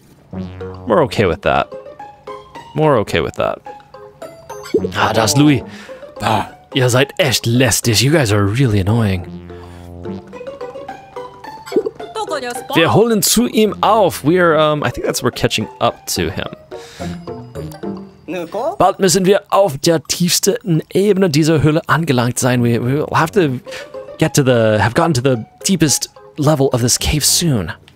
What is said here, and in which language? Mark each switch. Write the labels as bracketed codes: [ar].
[en] We're okay with that. More okay with that. [de] Ah, das Louis. Ihr seid echt lästig. [en] You guys are really annoying. [de] Wir holen zu ihm auf. [en] I think that's we're catching up to him. [de] Bald müssen wir auf der tiefsten Ebene dieser Höhle angelangt sein. [en] We'll have to get to the, have gotten to the deepest level of this cave soon.